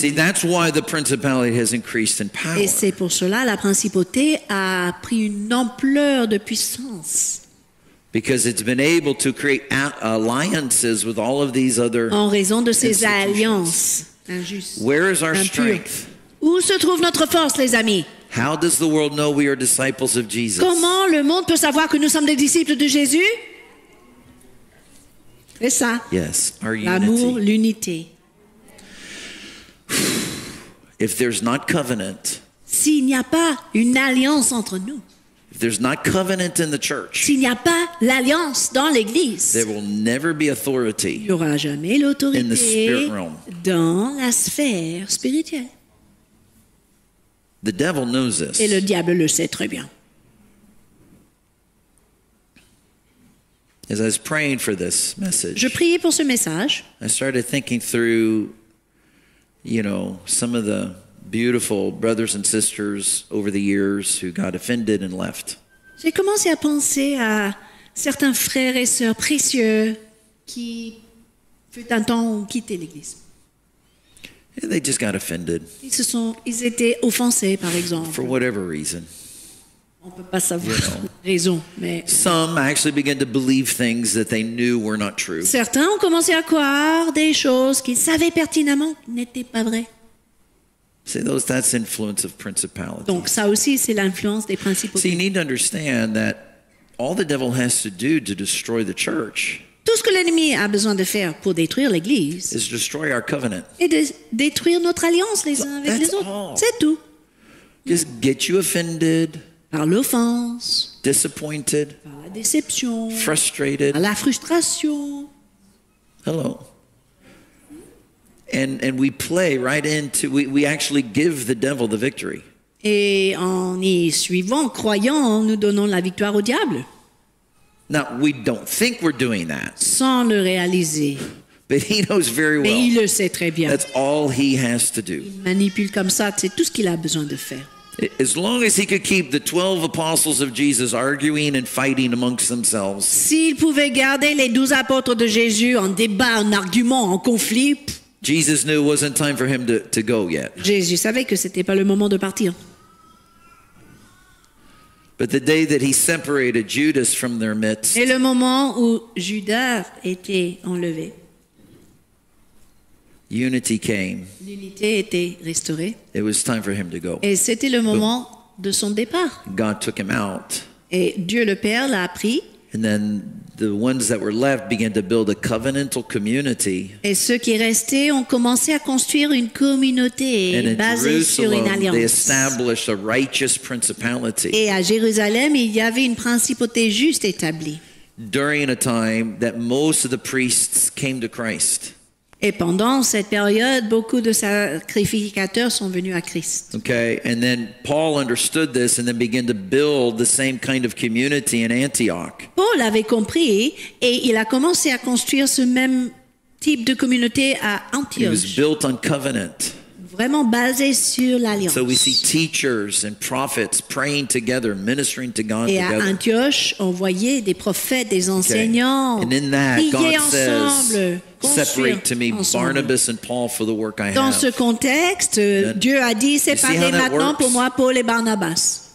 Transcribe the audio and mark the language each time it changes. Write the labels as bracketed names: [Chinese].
[English] See, that's why the principality has increased in power. [French] Et c'est pour cela la principauté a pris une ampleur de puissance. [English] Because it's been able to create alliances with all of these other. [French] En raison de ces alliances. Injuste, [English] where is our [French] impure. [English] Strength? [French] Où se trouve notre force, les amis? [English] How does the world know we are disciples of Jesus? [French] Comment le monde peut savoir que nous sommes des disciples de Jésus? C'est ça. [English] Yes, our unity. [French] L'amour, l'unité. [English] If there's not covenant, [French] s'il n'y a pas une alliance entre nous. [English] If there's not covenant in the church, [French] s'il n'y a pas l'alliance dans l'église, [English] there will never be authority [French] il n'y aura jamais l'autorité [English] in the spirit realm. [French] Dans la sphère spirituelle. [English] The devil knows this. [French] Et le diable le sait très bien. [English] As I was praying for this message, [French] je priais pour ce message. [English] I started thinking through, you know, some of the beautiful brothers and sisters over the years who got offended and left. [French] J'ai commencé à penser à certains frères et sœurs précieux qui fut un temps ont quitté l'église. [English] And they just got offended. [French] Ils étaient offensés par exemple. [English] For whatever reason. [French] On peut pas savoir [English] you know. [French] Raison, mais [English] some actually began to believe things that they knew were not true. [French] Certains ont commencé à croire des choses qu'ils savaient pertinemment n'étaient pas vraies. [English] See, those, that's influence of principalities. [French] Donc ça aussi c'est l'influence des principautés. [English] See, you need to understand that all the devil has to do to destroy the church. [French] Tout ce que l'ennemi a besoin de faire pour détruire l'église. [English] Is destroy our covenant. [French] Et de détruire notre alliance les uns avec les autres. [English] All. [French] C'est tout. [English] Just get you offended. [French] Par l'offense. [English] Disappointed. [French] Par la déception. [English] Frustrated. [French] Par la frustration. [English] Hello. And we play right into we actually give the devil the victory. [French] Et en y suivant, croyant, nous donnons la victoire au diable. [English] Now we don't think we're doing that. [French] Sans le réaliser. [English] But he knows very well. [French] Mais il le sait très bien. [English] That's all he has to do. [French] Il manipule comme ça, c'est tout ce qu'il a besoin de faire. [English] As long as he could keep the 12 apostles of Jesus arguing and fighting amongst themselves. [French] S'il pouvait garder les 12 apôtres de Jésus en débat, en argument, en conflit. [English] Jesus knew it wasn't time for him to go yet. [French] Jésus savait que c'était pas le moment de partir. [English] But the day that he separated Judas from their midst. [French] Et le moment où Judas était enlevé. [English] Unity came. [French] L'unité était restaurée. [English] It was time for him to go. [French] Et c'était le moment de son départ. [English] God took him out. [French] Et Dieu le Père l'a pris. [English] And then the ones that were left began to build a covenantal community. [French] Et ceux qui restaient ont commencé à construire une communauté basée sur une alliance. [English] They established a righteous principality. [French] Et à Jérusalem, il y avait une principauté juste établie. [English] During a time that most of the priests came to Christ. [French] Et pendant cette période, beaucoup de sacrificateurs sont venus à Christ. [English] Okay, and then Paul understood this and then began to build the same kind of community in Antioch. [French] Paul avait compris et il a commencé à construire ce même type de communauté à Antioche. [English] It was built on covenant. [French] Vraiment basé sur l'alliance. [English] So we see teachers and prophets praying together, ministering to God together. [French] Et à Antioche, on voyait des prophètes, des enseignants [English] okay. And in that, [French] prier [English] God [French] ensemble. [English] Says, separate to me Barnabas and Paul for the work I have. [French] Dans ce contexte, Dieu a dit, séparez maintenant pour moi Paul et Barnabas.